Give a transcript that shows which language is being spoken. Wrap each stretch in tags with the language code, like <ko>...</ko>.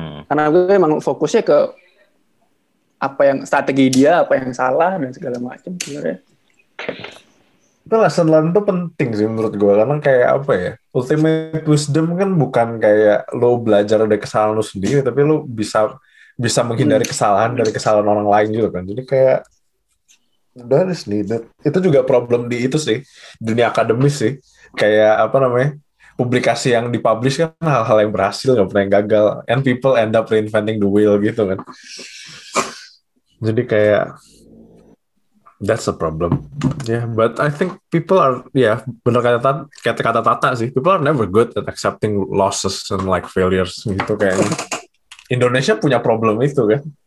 <id>Karena gue emang fokusnya ke apa yang strategi dia, apa yang salah dan segala macam sebenarnya. Itu</id> <en>lesson learn</en> <id>itu penting sih menurut gue, karena kayak apa ya,</id> <en>ultimate wisdom</en> <id>kan bukan kayak lo belajar dari kesalahan lo sendiri, tapi lo bisa menghindari kesalahan dari kesalahan orang lain juga kan. Jadi kayak</id> <en>that is needed.</en> <id>Itu juga problem di itu sih, dunia akademis sih, kayak apa namanya, publikasi yang dipublish kan hal-hal yang berhasil, gak pernah yang gagal,</id> <en>and people end up reinventing the wheel</en> <id>gitu kan. Jadi kayak</id> <en>that's a problem. Yeah, but I think people are, yeah,</en> <id>bener kata Tata sih,</id> <en>people are never good at accepting losses and like failures</en> <id>gitu kayaknya. Indonesia punya problem itu kan.</id>